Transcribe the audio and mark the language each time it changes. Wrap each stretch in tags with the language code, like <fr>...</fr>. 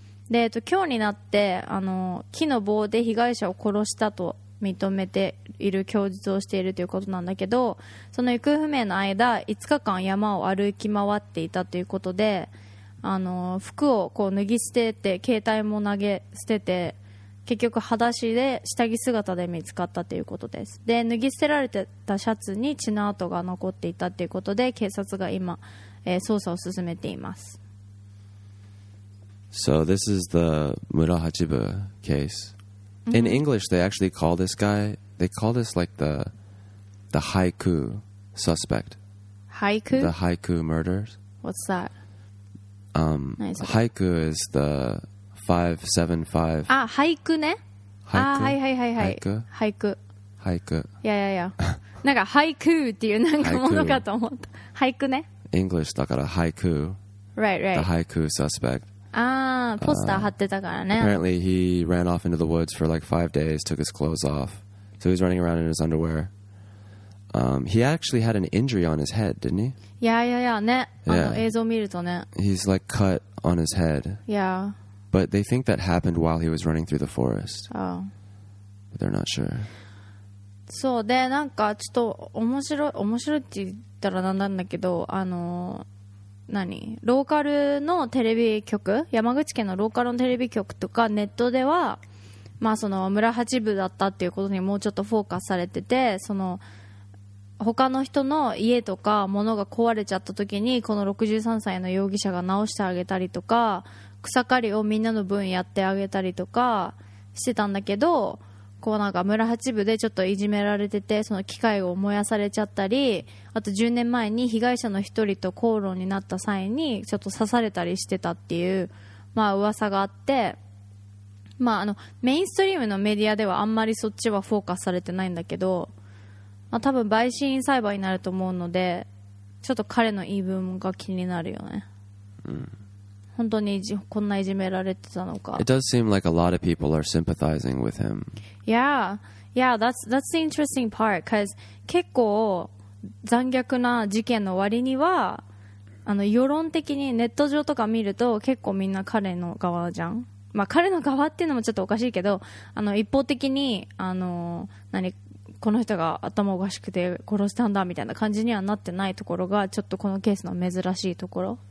<ja>で、今日になって木の棒で被害者を殺したと認めている供述をしているということなんだけど、その行方不明の間5日間山を歩き回っていたということで、服をこう脱ぎ捨てて携帯も投げ捨てて結局裸足で下着姿で見つかったということです。で、脱ぎ捨てられてたシャツに血の跡が残っていたということで警察が今、捜査を進めています。</ja> <en>So this is the Murahachibu case. In English they actually call this guy, they call this like the haiku suspect. Haiku? The haiku murders. What's that? Haiku is the 575. Ah, haiku, ne? Haiku. Ah, hi, hi, hi, hi. Haiku. Haiku. Yeah, yeah, yeah.</en> <ja>なんか haiku っていうなんかものかと思った。Haiku, ne? English だから haiku.</ja> <en>Right, right. The haiku suspect.</en> <ja>Ah, poster 貼ってたからね。</ja> <en>Apparently, he ran off into the woods for like 5 days, took his clothes off. So he was running around in his underwear. He actually had an injury on his head, didn't he?</en> <ja>Yeah, yeah, yeah, ね。Yeah. 映像見るとね。</ja> <en>He's like cut on his head. Yeah. But they think that happened while he was running through the forest. Oh. But they're not sure.</en> <ja>そうで、なんかちょっと面白いって言ったらなんなんだけど、何？ローカルのテレビ局、山口県のローカルのテレビ局とかネットでは、まあその村八分だったっていうことにもうちょっとフォーカスされてて、その他の人の家とか物が壊れちゃった時にこの63歳の容疑者が直してあげたりとか草刈りをみんなの分やってあげたりとかしてたんだけど、こうなんか村八分でちょっといじめられててその機械を燃やされちゃったり、あと10年前に被害者の一人と口論になった際にちょっと刺されたりしてたっていう、まあ噂があって、まあメインストリームのメディアではあんまりそっちはフォーカスされてないんだけど、まあ、多分陪審裁判になると思うのでちょっと彼の言い分が気になるよね。本当にこんないじめられてたのか。</ja> <en>It does seem like a lot of people are sympathizing with him. Yeah, yeah, that's the interesting part.</en> <ja>Because 結構残虐な事件の割には世論的にネット上とか見ると結構みんな彼の側じゃん。まあ彼の側っていうのもちょっとおかしいけど、一方的に何かこの人が頭おかしくて殺したんだみたいな感じにはなってないところがちょっとこのケースの珍しいところ。</ja>